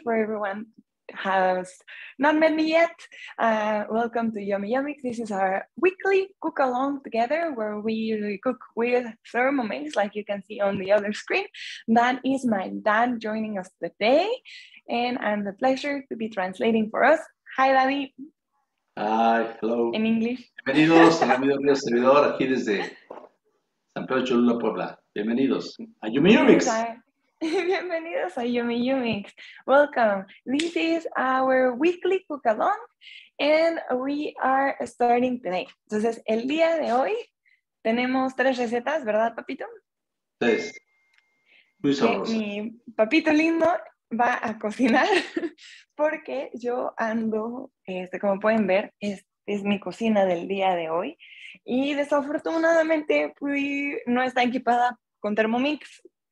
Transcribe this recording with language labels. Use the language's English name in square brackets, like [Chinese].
[English] For everyone who has not met me yet, welcome to Yummy Yummy. This is our weekly cook along together where we usually cook with Thermomix, like you can see on the other screen. That is my dad joining us today, and I'm the pleasure to be translating for us. Hi, Abby. Hi, hello. In English. [Spanish] Bienvenidos al amigo mío servidor aquí desde San Pedro Cholula, Puebla. Bienvenidos a Yummy Yummy. Bienvenidos a Yummy Yummix. [English] Welcome. This is our weekly cook along and we are starting today. [Spanish] Entonces, el día de hoy tenemos tres recetas, ¿verdad, papito? Tres. Muy sabrosa. Mi papito lindo va a cocinar porque yo ando, como pueden ver, es mi cocina del día de hoy y desafortunadamente no está equipada con Thermomix.